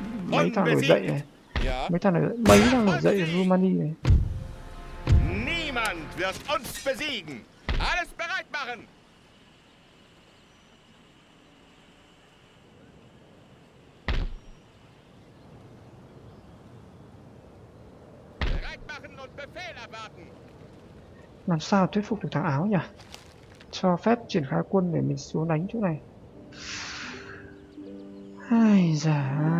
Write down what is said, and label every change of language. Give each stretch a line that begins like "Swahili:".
Vietnamese: Mấy thằng nổi dậy này. Mấy thằng nổi dậy, mấy thằng nổi dậy ở Rumani này.
German: Niemand wird uns besiegen. Alles bereit machen. Bereit machen und Befehl erwarten.
Vietnamese: Làm sao thuyết phục được thằng áo nhỉ? Cho phép triển khai quân để mình xuống đánh chỗ này. Ai da.